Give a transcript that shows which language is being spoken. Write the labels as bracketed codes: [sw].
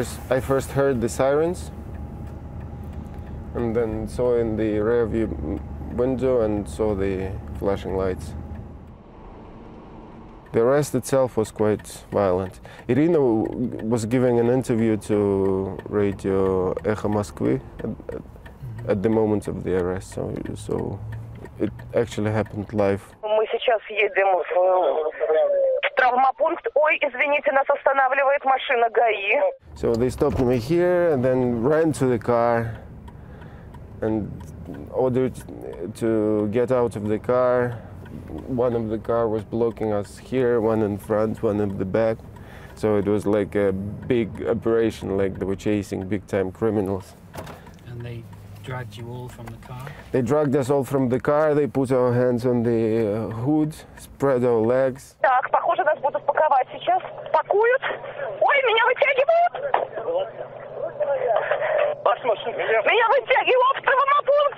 [en] I first heard the sirens, and then saw in the rearview window and saw the flashing lights. The arrest itself was quite violent. Irina was giving an interview to Radio Echo Moskvy at the moment of the arrest, so it actually happened live. [ru] Мы сейчас едем в травмапункт. Ой, извините, нас останавливает машина ГАИ. [en] So they stopped me here and then ran to the car and ordered to get out of the car. One of the car was blocking us here, one in front, one in the back. So it was like a big operation, like they were chasing big-time criminals. And they dragged you all from the car? They dragged us all from the car, they put our hands on the hood, spread our legs. [ru] Так, похоже, нас будут паковать сейчас. Пакуют. Ой, меня вытягивают! Меня вытягивают в травмопункт!